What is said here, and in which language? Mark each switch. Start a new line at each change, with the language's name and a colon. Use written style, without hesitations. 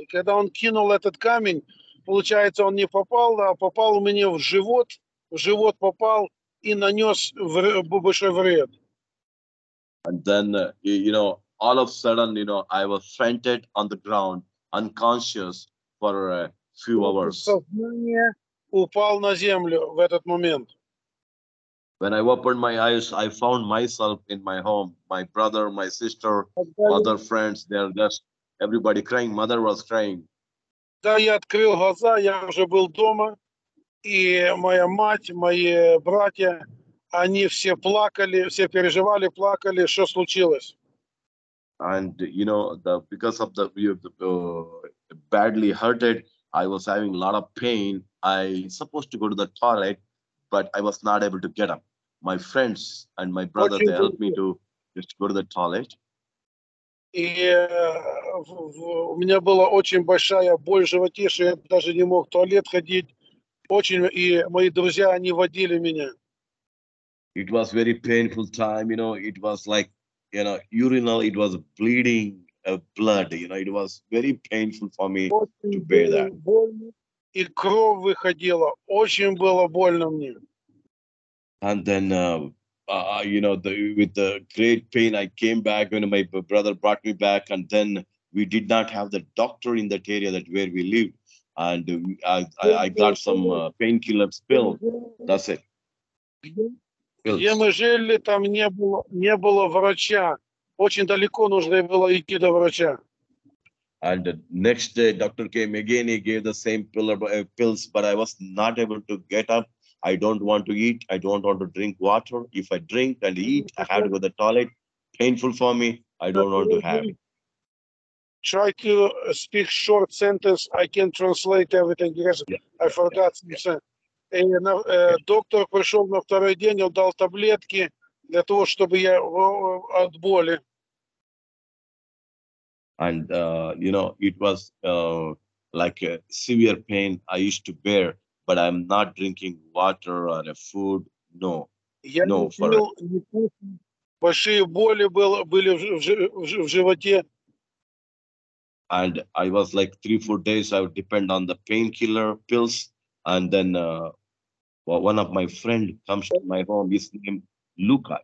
Russian: И когда он кинул этот камень, получается, он не попал, а попал у меня в живот попал и нанес большой вред.
English: And then you know. All of a sudden, you know, I was fainted on the ground, unconscious for a few hours.
Russian: Сознание упал на землю в этот момент.
English: When I opened my eyes, I found myself in my home. My brother, my sister, other friends, they're just everybody crying. Mother was crying.
Russian: Да, я открыл глаза, я уже был дома, и моя мать, мои братья, они все плакали, все переживали, плакали. Что случилось?
English: And you know, badly hurted, I was having a lot of pain. I supposed to go to the toilet, but I was not able to get up. My friends and my brother they helped me to just go to the toilet.
Russian: И у меня была очень большая боль в животе, что я даже не мог в туалет ходить. Очень, и мои друзья, они водили меня.
English: It was very painful time, you know, it was like, you know, urinal, it was bleeding blood, you know, it was very painful for me
Russian: очень
English: to bear that.
Russian: И кровь выходила, очень было больно мне.
English: And then, you know, with the great pain, I came back when my brother brought me back, and then we did not have the doctor in that area that where we lived. And I got some painkiller pill. That's it.
Russian: Где мы жили, там не было врача. Очень далеко нужно было идти до врача.
English: And the next day, doctor came again. He gave the same pills, but I was not able to get up. I don't want to eat. I don't want to drink water. If I drink and eat, I have to go to the toilet. Painful for me. I don't want to have it. Try to speak short sentence. I can translate everything. Yes. Yeah. I forgot. Yeah.
Russian: Доктор пришел на второй день, он дал таблетки для того, чтобы я от боли.
English: And you know, it was like a severe pain I used to bear, but I'm not drinking water or food. No.
Russian: Я
English: no,
Russian: не пил. Большие боли были в животе.
English: And I was like 3-4 days I would depend on the painkiller pills, and then one of my friend comes to my home, his name Luca.